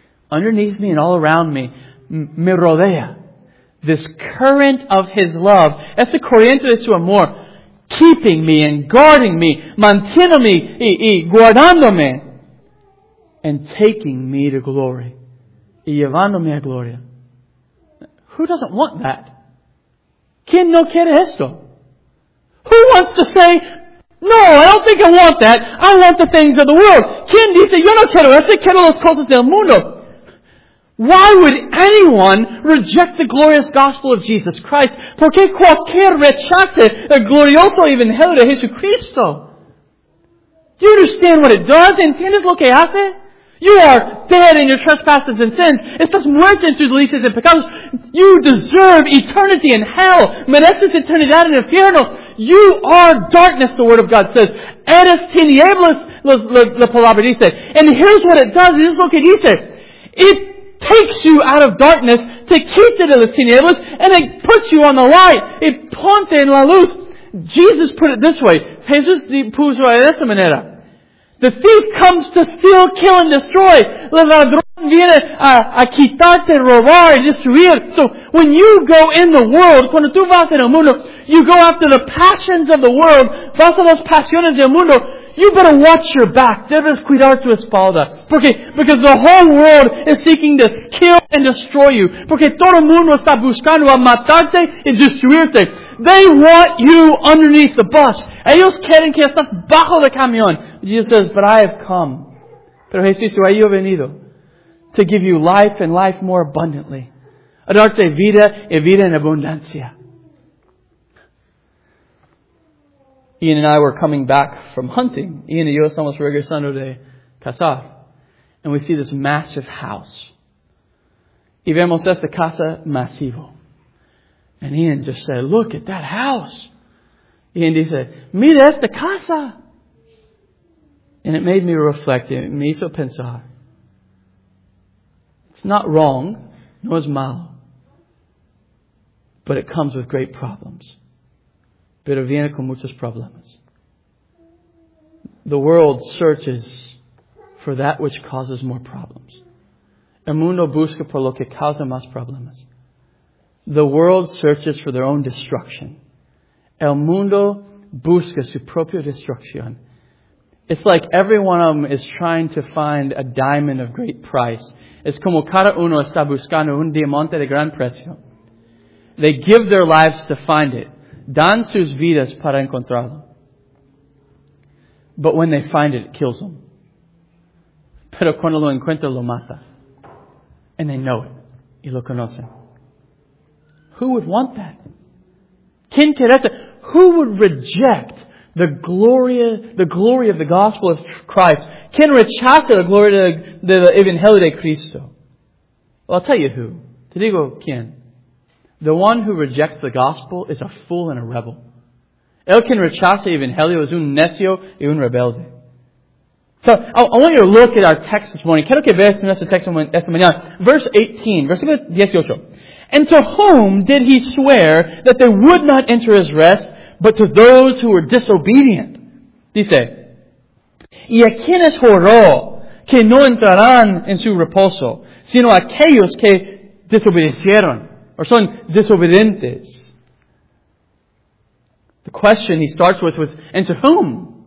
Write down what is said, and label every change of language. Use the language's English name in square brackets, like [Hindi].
[English] Underneath me and all around me, [Spanish] me rodea. [English] This current of His love. [Spanish] Esta corriente de su amor. [English] Keeping me and guarding me. [Spanish] Manteniéndome y guardándome. [English] And taking me to glory. [Spanish] Y llevándome a gloria. [English] Who doesn't want that? [Spanish] ¿Quién no quiere esto? [English] Who wants to say, no, I don't think I want that. I want the things of the world. [Spanish] ¿Quién dice, yo no quiero eso? Quiero las cosas del mundo. [English] Why would anyone reject the glorious gospel of Jesus Christ? [Spanish] ¿Por qué cualquier rechace el glorioso evangelio de Jesucristo? [English] Do you understand what it does? [Spanish] ¿Entiendes lo que hace? [English] You are dead in your trespasses and sins. [Spanish] Estás muerto en tus delitos y pecados. [English] You deserve eternity in hell. [Spanish] Mereces eternidad en el infierno. [English] You are darkness, the Word of God says. [Spanish] Eres tinieblas, la palabra dice. [English] And here's what it does. Here's what it dice. It takes you out of darkness to keep it in the tinieblas, and it puts you on the light. It [Spanish] ponte en la luz. [English] Jesus put it this way. [Spanish] Jesús puso de esa manera. [English] The thief comes to steal, kill, and destroy. [Spanish] El ladrón viene a quitarte, robar, y destruir. [English] So, when you go in the world, [Spanish] cuando tú vas en el mundo, [English] you go after the passions of the world, [Spanish] vas a las pasiones del mundo, [English] you better watch your back. [Spanish] Debes cuidar tu espalda. Porque, [English] because the whole world is seeking to kill and destroy you. [Spanish] Porque todo el mundo está buscando a matarte y destruirte. [English] They want you underneath the bus. [Spanish] Ellos quieren que estás bajo el camión. [English] Jesus says, but I have come. [Spanish] Pero Jesús, ahí yo he venido. [English] To give you life and life more abundantly. [Spanish] A darte vida y vida en abundancia. [English] Ian and I were coming back from hunting. [Spanish] Ian y yo estamos regresando de cazar. [English] And we see this massive house. [Spanish] Y vemos esta casa masivo. [English] And Ian just said, look at that house. [Spanish] Ian dice, mira esta casa. [English] And it made me reflect. [Spanish] It me hizo pensar. [English] It's not wrong. [Spanish] No es malo. [English] But it comes with great problems. [Spanish] Pero viene con muchos problemas. [English] The world searches for that which causes more problems. [Spanish] El mundo busca por lo que causa más problemas. [English] The world searches for their own destruction. [Spanish] El mundo busca su propia destrucción. [English] It's like every one of them is trying to find a diamond of great price. [Spanish] Es como cada uno está buscando un diamante de gran precio. [English] They give their lives to find it. [Spanish] Dan sus vidas para encontrarlo. [English] But when they find it, it kills them. [Spanish] Pero cuando lo encuentra, lo mata. [English] And they know it. [Spanish] Y lo conocen. [English] Who would want that? [Spanish] ¿Quién quiere eso? [English] Who would reject the glory of the gospel of Christ? [Spanish] ¿Quién rechaza la gloria de Evangelio de Cristo? [English] Well, I'll tell you who. [Spanish] Te digo quién. [English] The one who rejects the gospel is a fool and a rebel. [Spanish] El que rechaza Evangelio es un necio y un rebelde. [English] So, I want you to look at our text this morning. [Spanish] Quiero que veas nuestro texto esta mañana. [English] Verse 18, [Spanish] versículo 18. [English] And to whom did he swear that they would not enter his rest, but to those who were disobedient? [Spanish] Dice, y a quienes juró que no entrarán en su reposo, sino a aquellos que desobedecieron. Or son disobedientes. [English] The question he starts with was, and to whom?